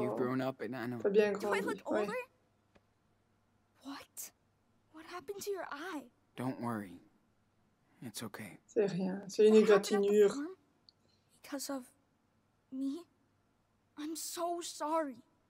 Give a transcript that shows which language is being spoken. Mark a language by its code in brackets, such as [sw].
[en] You've grown up, and I know. [fr] T'as bien grandi. [en] Do I look older? What? What happened to your eye? Don't worry. It's okay. [fr] C'est rien, c'est une égratignure. [en] Because of me, I'm so sorry.